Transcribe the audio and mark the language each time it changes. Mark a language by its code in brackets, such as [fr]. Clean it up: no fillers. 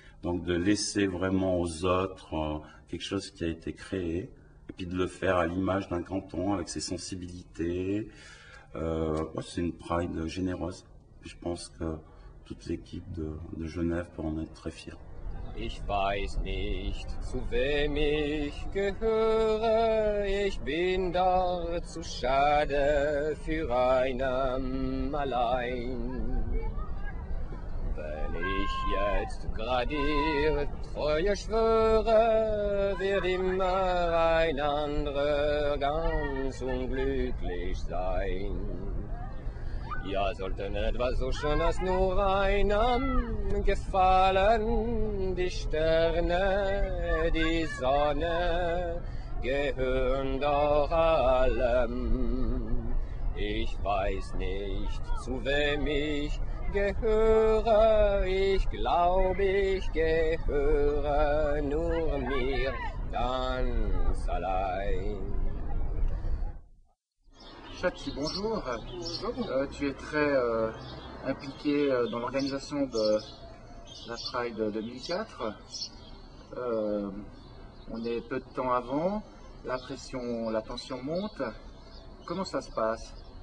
[fr] Donc de laisser vraiment aux autres quelque chose qui a été créé, et puis de le faire à l'image d'un canton, avec ses sensibilités. C'est une Pride généreuse. Je pense que toute l'équipe de Genève peut en être très fière. [de] Ich weiß nicht, zu wem ich gehöre. Ich bin da zu schade für einen allein. Wenn ich jetzt gradiere, treue schwöre, wird immer ein anderer ganz unglücklich sein. Ja, sollten etwas so Schönes nur einem gefallen, die Sterne, die Sonne gehören doch allem. Ich weiß nicht, zu wem ich gehöre, ich glaube, ich gehöre nur mir ganz allein. [fr] Chatti, bonjour. Bonjour. Tu es très impliqué dans l'organisation de la Pride 2004. On est peu de temps avant, la tension monte. Comment ça se passe?